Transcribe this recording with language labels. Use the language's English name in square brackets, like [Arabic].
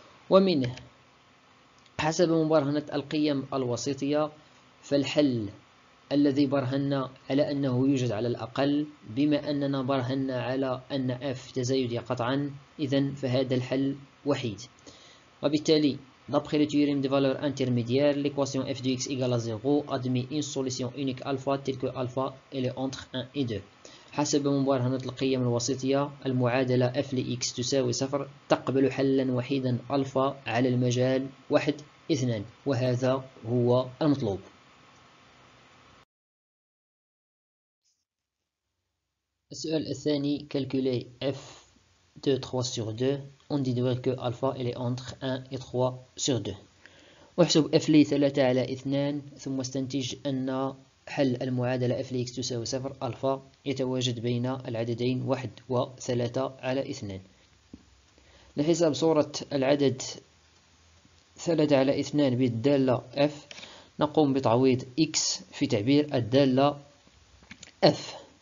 [Arabic] ومنه حسب مبرهنة القيم الوسيطية فالحل الذي برهنا على أنه يوجد على الأقل، بما أننا برهنا على أن F تزايدية قطعا، إذن فهذا الحل وحيد. وبالتالي [French] d'après le théorème de valeur intermédiaire l'équation f de x égale à 0 admet une solution unique alpha telle que alpha elle est entre 1 et 2. [Arabic] حسب مبرهنة القيم الوسيطية المعادلة f لx تساوي 0 تقبل حلا وحيدا الفا على المجال 1 2، وهذا هو المطلوب. السؤال الثاني [French] calculer f de 3 sur 2 on déduit que alpha il est entre 1 et 3 sur 2. [Arabic] احسب f لي 3 على 2 ثم استنتج ان حل المعادله f لx تساوي 0 الفا يتواجد بين العددين 1 و 3 على 2. لحساب صوره العدد 3 على 2 بالداله f نقوم بتعويض x في تعبير الداله f.